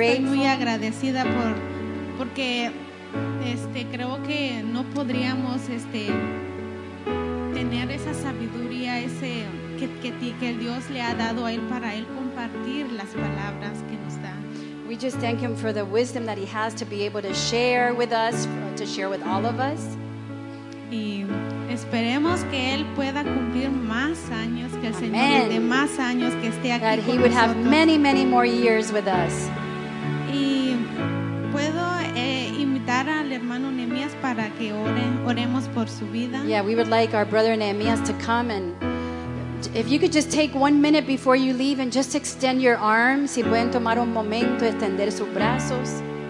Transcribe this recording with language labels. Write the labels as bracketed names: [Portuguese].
[Spanish] Estoy muy agradecida porque creo que no podríamos tener esa sabiduría ese que Dios le ha dado a él para él compartir las palabras que nos da. [English] We just thank him for the wisdom that he has to be able to share with us, to share with all of us. [Spanish] Y esperemos que él pueda cumplir más años, que el Señor le dé más años, que esté aquí con nosotros. [English] That he would have many, many more years with us. [Spanish] Y puedo invitar al hermano Nehemías para que oremos por su vida. [English] Yeah, we would like our brother Nehemías to come and if you could just take 1 minute before you leave and just extend your arms. [Spanish] Si pueden tomar un momento, extender sus brazos.